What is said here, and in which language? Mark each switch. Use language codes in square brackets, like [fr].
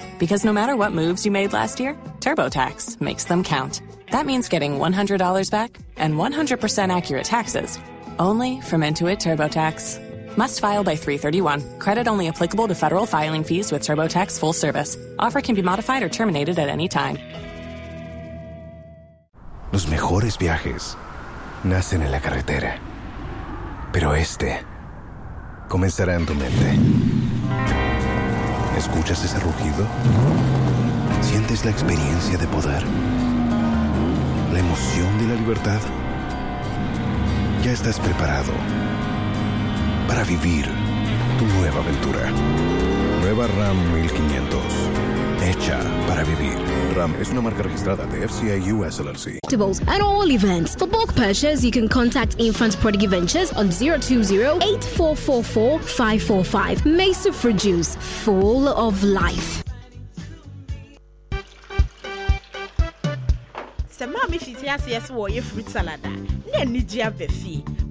[en] Because no matter what moves you made last year, TurboTax makes them count. That means getting $100 back and 100% accurate taxes only from Intuit TurboTax. Must file by 3/31. Credit only applicable to federal filing fees with TurboTax full service. Offer can be modified or terminated at any time. [es] Los mejores viajes nacen en la carretera. Pero este comenzará en tu mente. ¿Escuchas ese rugido? ¿Sientes la experiencia de poder? ¿La emoción de la libertad? Ya estás preparado para vivir tu nueva aventura. Nueva Ram 1500. Hecha para vivir. Ram es una marca registrada de FCA US LLC. [en] Festivals and all events. For bulk purchases, you can contact Infant Prodigy Ventures on 020-8444-545. Mesa Fruit Juice, full of life. Samami Fitias, yes, warrior fruit salad. Nenija Befi.